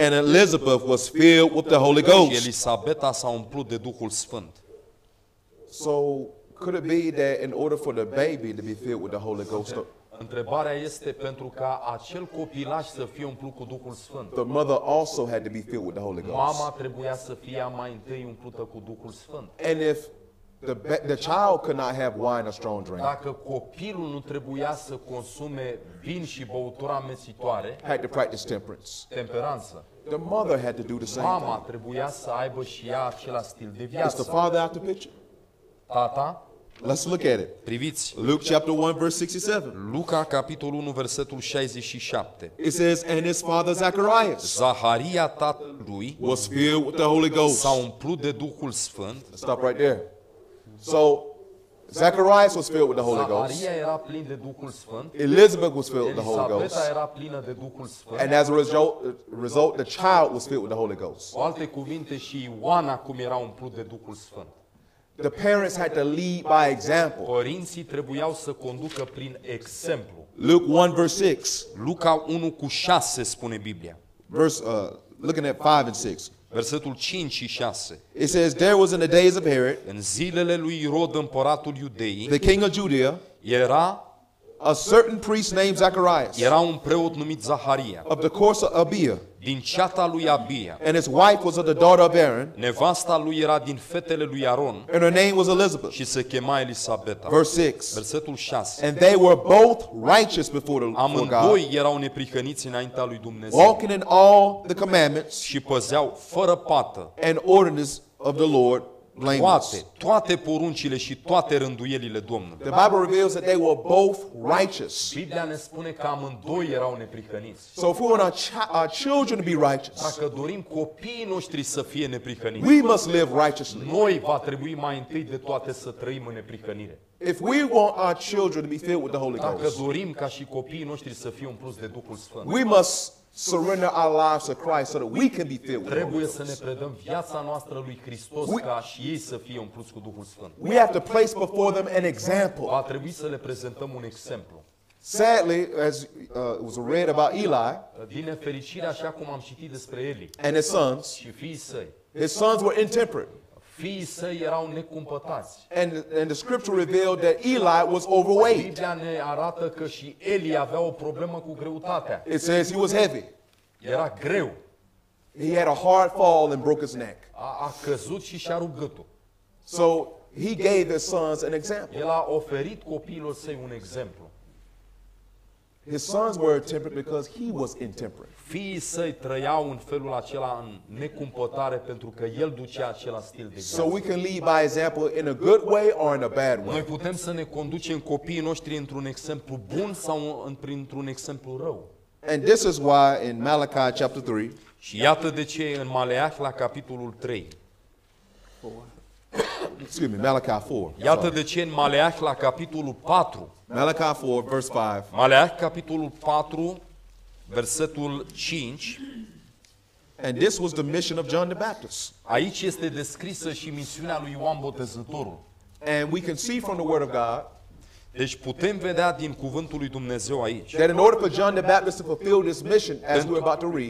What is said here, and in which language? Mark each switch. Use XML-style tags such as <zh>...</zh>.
<en>And Elizabeth was filled with the Holy Ghost.</en> <ro>Și Elisabeta s-a umplut de Duhul Sfânt.</ro> <en>So could it be that in order for the baby to be filled with the Holy Ghost?</en> <ro>Întrebarea este pentru ca acel copilaș să fie umplut cu Duhul Sfânt.</ro> <en>The mother also had to be filled with the Holy Ghost.</en> <ro>Mama trebuia să fie mai întâi umplută cu Duhul Sfânt.</ro> <en>And if the child could not have wine or strong drink.</en> <ro>Dacă copilul nu trebuia să consume vin și băutura amețitoare.</ro> <en>Had to practice temperance.</en> <ro>Temperanță.</ro> <en>The mother had to do the same.</en> <ro>Mama trebuia să aibă și ea același stil de viață.</ro> <en>Is the father out the picture?</en> <ro>Tata.</ro> <en>Let's look at it.</en> <ro>Priviți.</ro> <en>Luke chapter 1 verse 67.</en> <ro>Luca capitolul 1 versetul 67.</ro> <en>It says, and his father Zacharias.</en> <ro>Zaharia tatălui.</ro> <en>Was filled with the Holy Ghost.</en> <ro>S-a umplut de Duhul Sfânt.</ro> <en>Stop right there. So Zacharias was filled with the Holy Ghost.</en> <ro>Zaharia era plin de Duhul Sfânt.</ro> <en>Elizabeth was filled with the Holy Ghost.</en> <ro>Elisabeta era plină de Duhul Sfânt.</ro> <en>And as a result, the child was filled with the Holy Ghost.</en> <ro>Cu alte cuvinte, și Ioan acum era umplut de Duhul Sfânt.</ro> <en>The parents had to lead by example.</en> <ro>Părinții trebuiau să conducă prin exemplu.</ro> <en>Luke 1 verse 6.</en> <ro>Luca 1 cu 6 spune Biblia.</ro> <en>Verse looking at 5 and 6.</en> <ro>Versetul 5 și 6.</ro> <en>It says there was in the days of Herod,</en> <ro>în zilele lui Irod împăratul Iudeii,</ro> <en>the king of Judea,</en> <ro>era</ro> <en>a certain priest named Zacharias.</en> <ro>Era un preot numit Zaharia.</ro> <en>Of the course of Abia.</en> <ro>Din ceata lui Abia.</ro> <en>And his wife was of the daughter of Aaron.</en> <ro>Nevasta lui era din fetele lui Aaron.</ro> <en>And her name was Elizabeth.</en> <ro>Și se chema Elisabeta.</ro> <en>Verse 6.</en> <ro>Versetul 6.</ro> <en>And they were both righteous before the Lord.</en> <ro>Amândoi erau neprihăniți înaintea lui Dumnezeu.</ro> <en>Walking in all the commandments.</en> <ro>Și păzeau fără pată.</ro> <en>And ordinances of the Lord. Blameless.</en> <ro>Toate poruncile și toate rânduielile Domnului.</ro> <en>The Bible reveals that they were both righteous.</en> <ro>Biblia ne spune că amândoi erau neprihăniți.</ro> <en>So if we want our children to be righteous,</en> <ro>dacă dorim copiii noștri să fie neprihăniți,</ro> <en>we must live righteously.</en> <ro>Noi va trebui mai întâi de toate să trăim în neprihănire.</ro> <en>If we want our children to be filled with the Holy Ghost,</en> <ro>dacă dorim ca și copiii noștri să fie umpluți de Duhul Sfânt,</ro> <en>we must surrender our lives to Christ so that we can be filled with the Holy Ghost.</en> <ro>Trebuie să ne predăm viața noastră lui Hristos ca și ei să fie umpluți cu Duhul Sfânt.</ro> <en>We have to place before them an example.</en> <ro>Va trebui să le prezentăm un exemplu.</ro> <en>Sadly, as it was read about Eli,</en> <ro>din nefericire, așa cum am citit despre Eli,</ro> <en>and his sons,</en> <ro>și fiii săi,</ro> <en>his sons were intemperate.</en> <ro>Fiii săi erau necumpătați.</ro> <en>And the scripture revealed that Eli was overweight.</en> <ro>Biblia ne arată că și Eli avea o problemă cu greutatea.</ro> <en>It says he was heavy.</en> <ro>Era greu.</ro> <en>He had a hard fall and broke his neck.</en> <ro>A căzut și și-a rupt gâtul.</ro> <en>So he gave his sons an example.</en> <ro>El a oferit copiilor săi un exemplu.</ro> <en>His sons were intemperate because he was intemperate.</en> <ro>Fiii săi trăiau în felul acela în necumpătare pentru că el ducea același stil de viață.</ro> <en>So we can lead by example in a good way or in a bad way.</en> <ro>Noi putem să ne conducem copiii noștri într-un exemplu bun sau într-un exemplu rău.</ro> <en>And this is why in Malachi chapter 3.</en> <ro>Și iată de ce în Maleah la capitolul 3.</ro> <en>Excuse me, Malachi 4.</en> <ro>Iată de ce în Maleah la capitolul 4.</ro> <en>Malachi 4, verse 5.</en> <ro>Maleah, capitolul 4, versetul 5.</ro> <en>And this was the mission of John the Baptist.</en> <ro>Aici este descrisă și misiunea lui Ioan Botezătorul.</ro> <en>And we can see from the word of God.</en> <ro>Deci putem vedea din cuvântul lui Dumnezeu aici.</ro> <en>That in order for John the Baptist to fulfill this mission, as we're about to read.</en>